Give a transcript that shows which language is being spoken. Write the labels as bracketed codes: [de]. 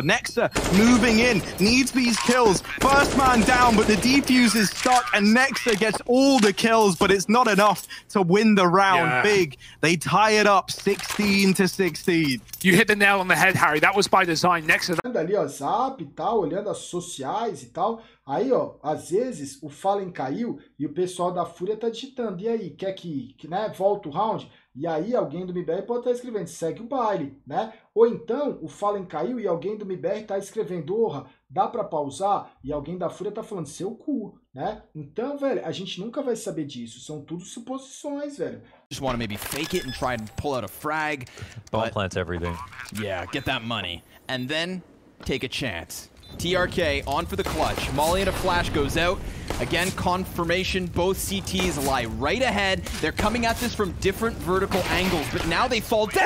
[en] Nexa moving in, needs these kills. First man down, but the defuse is stuck and Nexa gets all the kills, but it's not enough to win the round. Yeah. Big, they tie it up 16-16. You hit the nail on the head, Harry. That was by design. Nexa. [pt] Ali, ó, zap e tal, olhando as sociais e tal. Aí, ó, às vezes o Fallen caiu e o pessoal da Fúria tá digitando. E aí, quer que né, volta o round? E aí alguém do MIBR pode estar escrevendo, segue o baile, né? Ou então o Fallen caiu e alguém do MIBR tá escrevendo, orra, dá pra pausar? E alguém da Fúria tá falando, seu cu, né? Então, velho, a gente nunca vai saber disso, são tudo suposições, velho. [en] Just want to maybe fake it and try and pull out a frag. Bomb plants everything. Yeah, get that money. And then take a chance. TRK on for the clutch. Molly in a flash goes out. Again, confirmation. Both CTs lie right ahead. They're coming at this from different vertical angles, but now they fall down!